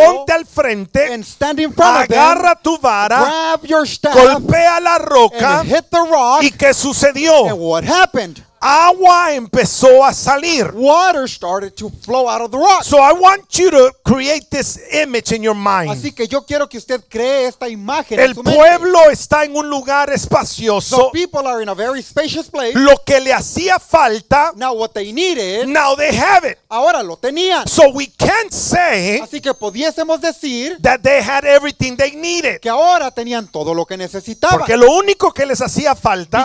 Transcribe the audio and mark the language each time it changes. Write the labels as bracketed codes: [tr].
[es] Ponte al frente. [en] And stand in front of them. [es] Agarra tu vara. [en] Grab your staff. [es] Golpea la roca. [en] And hit the rock. [es] ¿Y qué sucedió? [en] And what happened? [es] Agua empezó a salir. [en] Water started to flow out of the rock. So I want you to create this image in your mind. [es] Así que yo quiero que usted cree esta imagen en su mente. El pueblo está en un lugar espacioso. [en] The people are in a very spacious place. [es] Lo que le hacía falta, [en] now what they needed, now they have it. [es] Ahora lo tenían. [en] So we can't say, [es] así que pudiésemos decir, [en] that they had everything they needed. [es] Que ahora tenían todo lo que necesitaban. Porque lo único que les hacía falta,